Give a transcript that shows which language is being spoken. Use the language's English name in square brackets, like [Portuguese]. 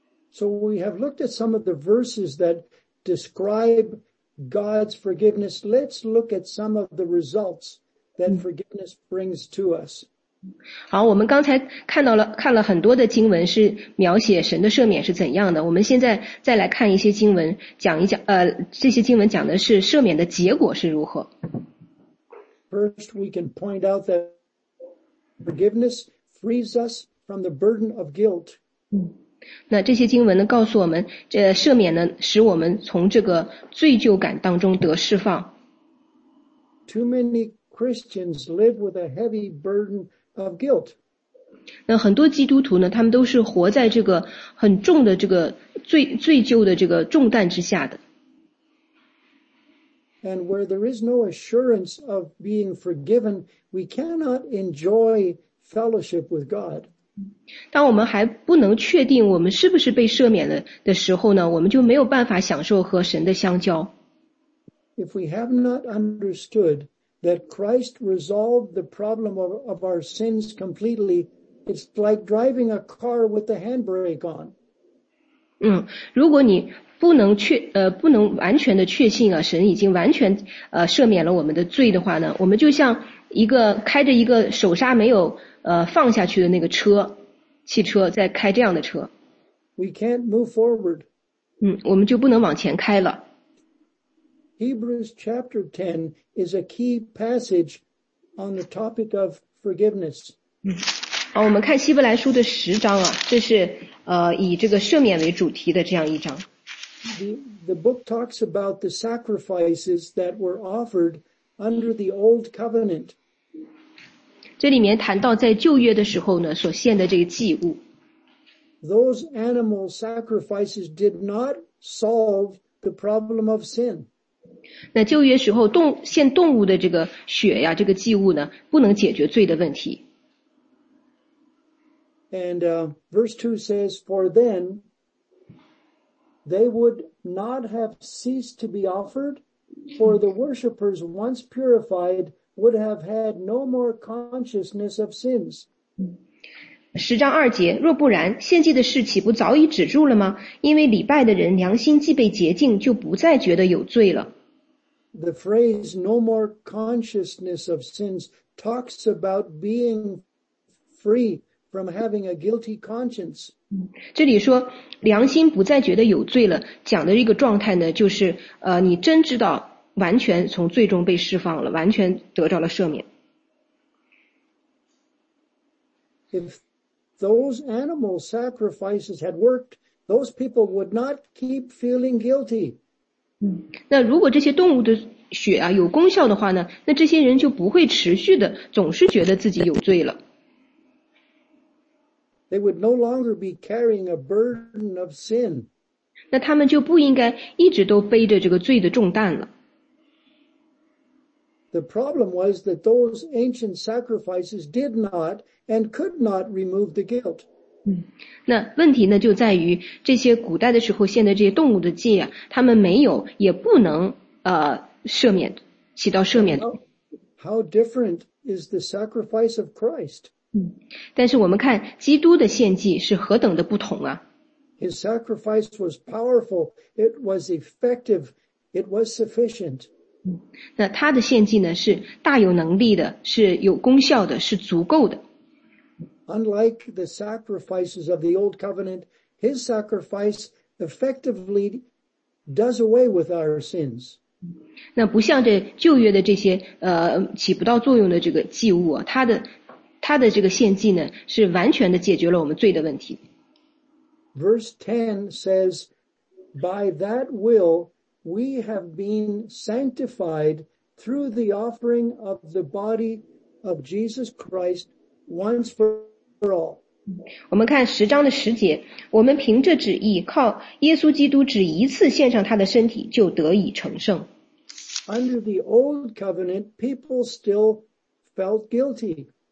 [English] So we have looked at some of the verses that describe God's forgiveness. Let's look at some of the results that forgiveness brings to us. [Chinese] 好，我们刚才看了很多的经文是描写神的赦免是怎样的。我们现在再来看一些经文，讲一讲这些经文讲的是赦免的结果是如何。 [English] First, we can point out that forgiveness frees us from the burden of guilt. [Chinese] 那这些经文呢告诉我们，这赦免呢使我们从这个罪疚感当中得释放。 [English] Too many Christians live with a heavy burden of guilt. [Chinese] 那很多基督徒呢，他们都是活在这个很重的这个罪疚的这个重担之下的。 [English] And where there is no assurance of being forgiven, we cannot enjoy fellowship with God. [Chinese] 当我们还不能确定我们是不是被赦免了的时候呢，我们就没有办法享受和神的相交。 [English] If we have not understood that Christ resolved the problem of our sins completely, it's like driving a car with the handbrake on. [Chinese] 如果你不能确不能完全的确信啊，神已经完全赦免了我们的罪的话呢，我们就像一个开着一个手刹没有放下去的那个车，汽车在开这样的车。 [English] We can't move forward. [Chinese] 我们就不能往前开了。 [English] Hebrews chapter 10 is a key passage on the topic of forgiveness. [Chinese] 我们看希伯来书的十章啊，这是以这个赦免为主题的这样一章。 [English] The book talks about the sacrifices that were offered under the old covenant. [Chinese] 这里面谈到在旧约的时候呢所献的这个祭物。 [English] Those animal sacrifices did not solve the problem of sin. [Chinese] 那旧约时候献动物的这个血呀，这个祭物呢，不能解决罪的问题。 [English] And verse 2 says, for then they would not have ceased to be offered, for the worshippers once purified would have had no more consciousness of sins. [Chinese] 十章二节，若不然，献祭的事岂不早已止住了吗？因为礼拜的人良心既被洁净，就不再觉得有罪了。 [English] The phrase no more consciousness of sins talks about being free from having a guilty conscience. [Chinese] 这里说良心不再觉得有罪了，讲的一个状态呢，就是你真知道完全从罪中被释放了，完全得着了赦免。 [English] Those animal sacrifices had worked, those people would not keep feeling guilty. [Chinese] 那如果这些动物的血啊有功效的话呢，那这些人就不会持续的总是觉得自己有罪了。 [English] They would no longer be carrying a burden of sin. [Chinese] 那他们就不应该一直都背着这个罪的重担了。 [English] The problem was that those ancient sacrifices did not and could not remove the guilt. [Chinese] 那问题呢就在于这些古代的时候献的这些动物的祭啊，他们没有也不能赦免，起到赦免。 [English] How different is the sacrifice of Christ? [Chinese] 但是我们看基督的献祭是何等的不同啊。 [English] His sacrifice was powerful, it was effective, it was sufficient. [Chinese] 那他的献祭呢是大有能力的，是有功效的，是足够的。 [English] Unlike the sacrifices of the old covenant, his sacrifice effectively does away with our sins. [Chinese] 那不像这旧约的这些起不到作用的这个祭物啊，他的这个献祭呢是完全的解决了我们罪的问题。 [English] Verse 10 says, by that will we have been sanctified through the offering of the body of Jesus Christ once for all. [Chinese] 我们看十章的十节，我们凭着旨意，靠耶稣基督只一次献上他的身体，就得以成圣。 [English] Under the old covenant, people still felt guilty.